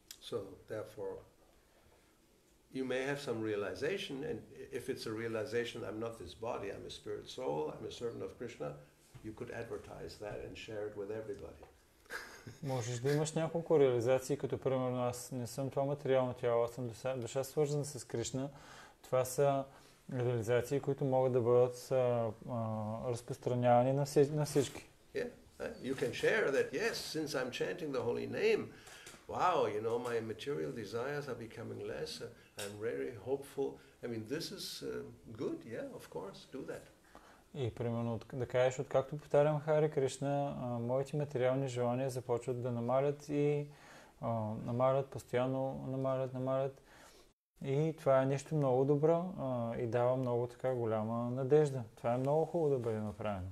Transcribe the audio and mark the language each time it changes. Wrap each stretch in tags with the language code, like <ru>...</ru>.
<en>So therefore you may have some realization, and if it's a realization, I'm not this body, I'm a spirit soul, I'm a servant of Krishna. You could advertise that and share it with everybody.</en> <bg>Можеш да имаш няколко реализации, като примерно аз не съм това материално тяло, аз съм душа свързана с Кришна. Това са реализации, които могат да бъдат разпространявани на всички.</bg> <en>Yeah. You can share that, yes, since I'm chanting the holy name, wow, you know, my material desires are becoming less, I'm very hopeful. I mean, this is good, yeah, of course, do that.</en> <bg>И примерно да кажеш, откакто повтарям Хари Кришна, моите материални желания започват да намалят и намалят постоянно. И това е нещо много добро и дава много така голяма надежда. Това е много хубаво да бъде направено.</bg>